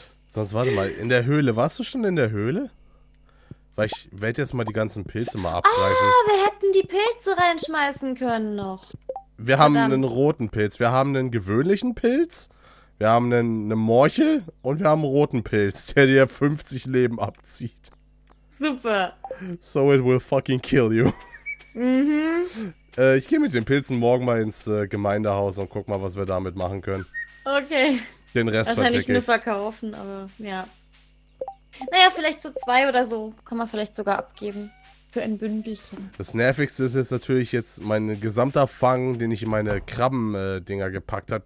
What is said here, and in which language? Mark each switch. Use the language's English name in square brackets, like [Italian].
[German] Sonst warte mal, in der Höhle, warst du schon in der Höhle? Weil ich werde jetzt mal die ganzen Pilze mal abgreifen. Ah, wir hätten die Pilze reinschmeißen können noch. Wir haben einen roten Pilz, wir haben einen gewöhnlichen Pilz, wir haben eine Morchel und wir haben einen roten Pilz, der dir 50 Leben abzieht. Super. [English] So it will fucking kill you. Mhm. [German] Ich gehe mit den Pilzen morgen mal ins Gemeindehaus und guck mal, was wir damit machen können. Okay. Den Rest wahrscheinlich nur verkaufen, aber ja. Naja, vielleicht so zwei oder so. Kann man vielleicht sogar abgeben. Für ein Bündelchen. Das Nervigste ist jetzt natürlich jetzt mein gesamter Fang, den ich in meine Krabben-Dinger gepackt habe.